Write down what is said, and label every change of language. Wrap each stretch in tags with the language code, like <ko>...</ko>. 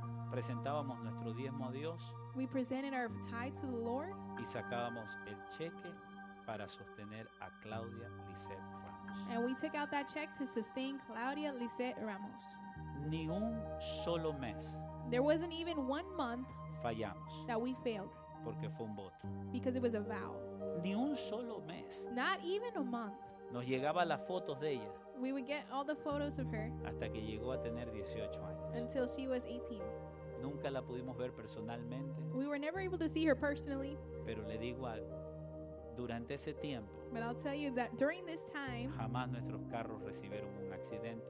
<es>Presentábamos nuestro diezmo a Dios.</es> <en>We presented our tithe to the Lord.</en> <es>Y sacábamos el cheque para sostener a Claudia Lizeth Ramos.</es> <en>And we took out that check to sustain Claudia Lizeth Ramos.</en> <es>Ni un solo mes.</es> <en>There wasn't even one month.</en> <es>Fallamos.</es> <en>That we failed.</en> <es>Porque fue un voto.</es> <en>Because it was a vow.</en> <es>Ni un solo mes.</es> <en>Not even a month.</en> <es>Nos llegaba las fotos de ella.</es> <en>We would get all the photos of her.</en> <es>Hasta que llegó a tener 18 años.</es> <en>Until she was 18.</en> <es>Nunca la pudimos ver personalmente.</es> <en>We were never able to see her personally.</en> <es>Pero le digo algo. Durante ese tiempo.</es> <en>But I'll tell you that during this time.</en> <es>Jamás nuestros carros recibieron un accidente.</es>